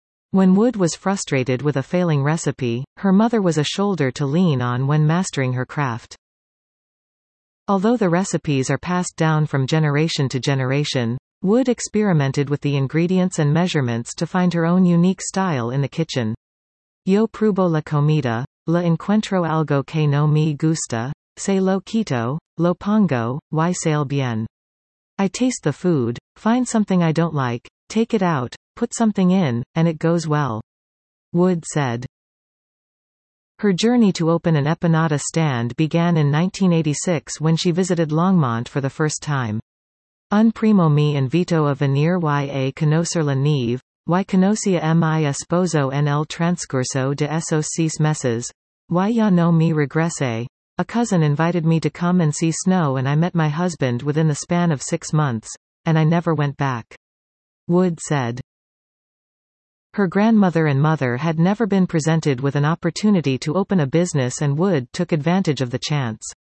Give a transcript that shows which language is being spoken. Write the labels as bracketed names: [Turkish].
[English] When Wood was frustrated with a failing recipe, her mother was a shoulder to lean on when mastering her craft. Although the recipes are passed down from generation to generation, Wood experimented with the ingredients and measurements to find her own unique style in the kitchen. [Spanish] Yo pruebo la comida, la encuentro algo que no me gusta, se lo quito, lo pongo, y sale bien. [English] I taste the food, find something I don't like, take it out, put something in, and it goes well. Wood said. Her journey to open an empanada stand began in 1986 when she visited Longmont for the first time. [Spanish] Un primo me invito a venir y a conocer la nieve, y conocía mi esposo en el transcurso de esos 6 meses, y ya no me regresé. [English] A cousin invited me to come and see snow and I met my husband within the span of 6 months, and I never went back. Wood said. Her grandmother and mother had never been presented with an opportunity to open a business and Wood took advantage of the chance.